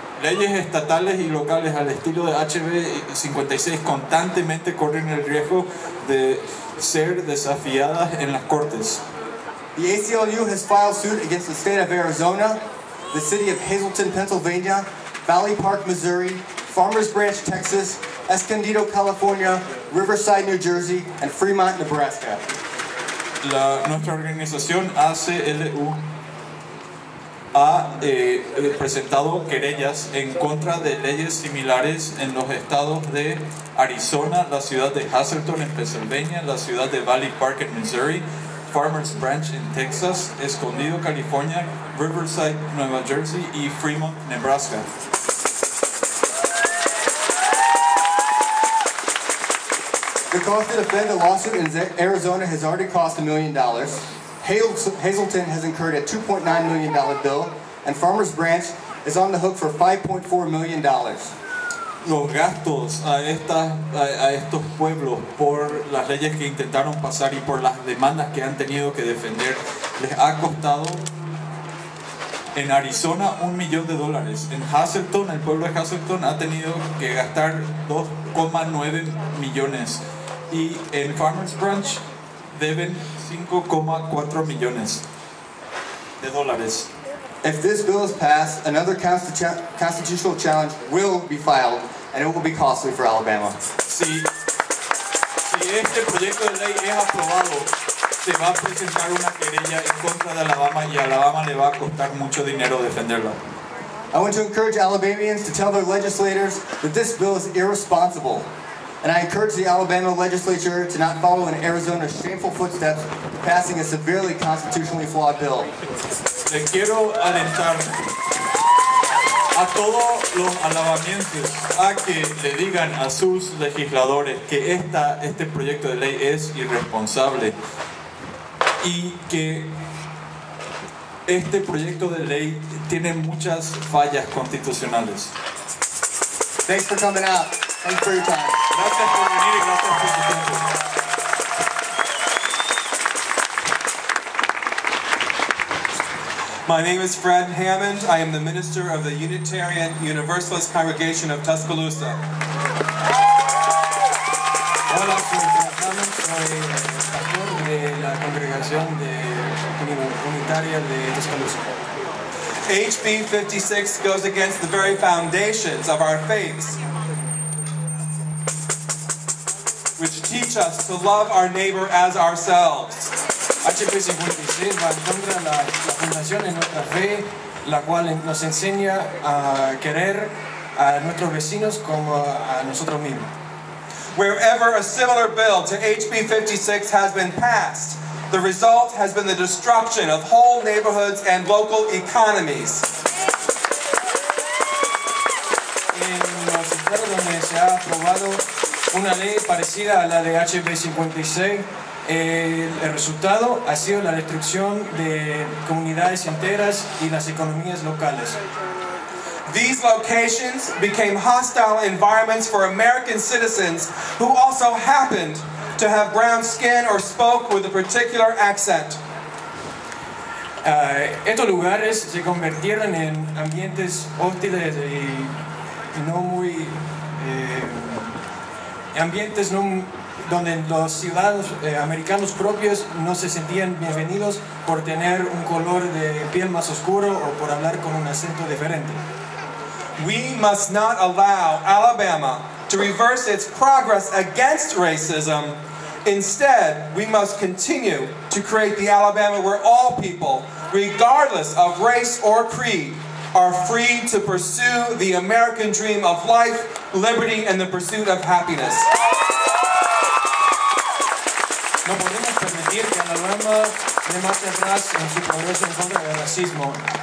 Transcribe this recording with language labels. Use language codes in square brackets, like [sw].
[es] Leyes estatales y locales al estilo de HB 56 constantemente corren el riesgo de ser desafiadas en las cortes. [en] The ACLU has filed suit against the state of Arizona, the city of Hazleton, Pennsylvania, Valley Park, Missouri, Farmers Branch, Texas, Escondido, California, Riverside, New Jersey, and Fremont, Nebraska. [es] Nuestra organización ACLU ha presentado querellas en contra de leyes similares en los estados de Arizona, la ciudad de Hazleton en Pennsylvania, la ciudad de Valley Park en Missouri, Farmers Branch en Texas, Escondido, California, Riverside, Nueva Jersey y Fremont, Nebraska. [en] The cost to defend the lawsuit in Arizona has already cost $1 million. Hazleton has incurred a $2.9 million bill, and Farmers Branch is on the hook for $5.4 million. [es] Los gastos a estos pueblos por las leyes que intentaron pasar y por las demandas que han tenido que defender les ha costado en Arizona $1 million. En Hazleton, el pueblo de Hazleton ha tenido que gastar $2.9 million. Y en Farmers Branch deben $5.4 million. [en] If this bill is passed, another constitutional challenge will be filed, and it will be costly for Alabama. [es] Si este proyecto de ley es aprobado, se va a presentar una querella en contra de Alabama, y a Alabama le va a costar mucho dinero defenderla. [en] I want to encourage Alabamians to tell their legislators that this bill is irresponsible. And I encourage the Alabama legislature to not follow in Arizona's shameful footsteps, passing a severely constitutionally flawed bill. [es] Le quiero alentar a todos los alabamienses a que le digan a sus legisladores que este proyecto de ley es irresponsable y que este proyecto de ley tiene muchas fallas constitucionales. [en] Thanks for coming out. Thanks for your time. [es] Gracias por venir y gracias por su tiempo. [en] My name is Fred Hammond. I am the minister of the Unitarian Universalist Congregation of Tuscaloosa. [es] Hola, soy Fred Hammond. Soy el pastor de la Congregación Unitaria de Tuscaloosa. [en] HB 56 goes against the very foundations of our faiths, which teach us to love our neighbor as ourselves. [es] HB 56 va en contra de la fundación de nuestra fe, la cual nos enseña a querer a nuestros vecinos como a nosotros mismos. [en] Wherever a similar bill to HB 56 has been passed, the result has been the destruction of whole neighborhoods and local economies. [es] En los estados donde se ha aprobado una ley parecida a la de HB 56, el resultado ha sido la destrucción de comunidades enteras y las economías locales. [en] These locations became hostile environments for American citizens who also happened to have brown skin or spoke with a particular accent. [es] Estos lugares se convirtieron en ambientes hostiles y no muy ambientes no, donde los ciudadanos americanos propios no se sentían bienvenidos por tener un color de piel más oscuro o por hablar con un acento diferente. [en] We must not allow Alabama to reverse its progress against racism. Instead, we must continue to create the Alabama where all people, regardless of race or creed, are free to pursue the American dream of life, liberty, and the pursuit of happiness. [es] No podemos permitir que Alabama se marche atrás en su progreso en contra del racismo.